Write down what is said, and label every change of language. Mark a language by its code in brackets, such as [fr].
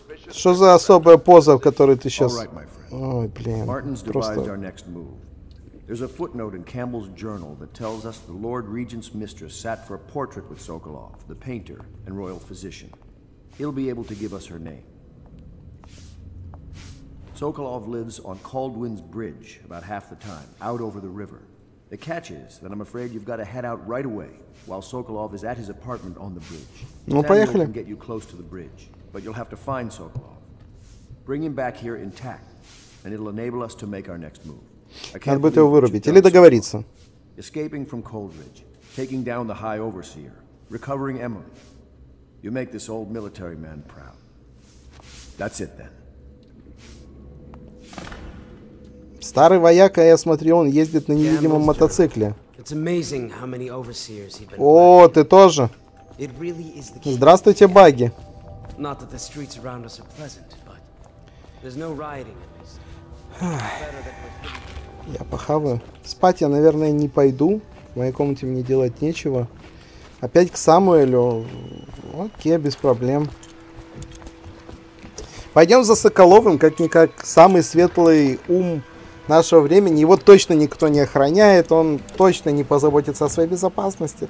[ru] Что за особая поза, в которой ты сейчас... Ой, блин, Martin's просто... [en] There's a footnote in Campbell's journal that tells us the Lord Regent's mistress sat for a portrait with Sokolov, the painter and royal physician. He'll be able to give us her name. Sokolov lives on Caldwin's Bridge about half the time, out over the river. The catch is that I'm afraid you've got to head out right away while Sokolov is at his apartment on the bridge. [ru] Ну, поехали. [en] Can get you close to the bridge, but you'll have to find Sokolov. Bring him back here intact, and it'll enable us to make our next move. [ru] Надо будет его вырубить или договориться. [en] Escaping from Coldridge, taking down the High Overseer, recovering Emily. You make this old military man proud. That's it then. [ru] Старый вояка, я смотрю, он ездит на невидимом мотоцикле. [en] It's amazing how many overseers he's been. [ru] О, ты тоже. [en] It really is the key. [ru] Здравствуйте, Багги. [en] Not that the streets around us are pleasant, but there's no rioting in this. [ru] Я похаваю. Спать я, наверное, не пойду. В моей комнате мне делать нечего. Опять к Самуэлю. Окей, без проблем. Пойдем за Соколовым, как-никак самый светлый ум нашего времени. Его точно никто не охраняет. Он точно не позаботится о своей безопасности.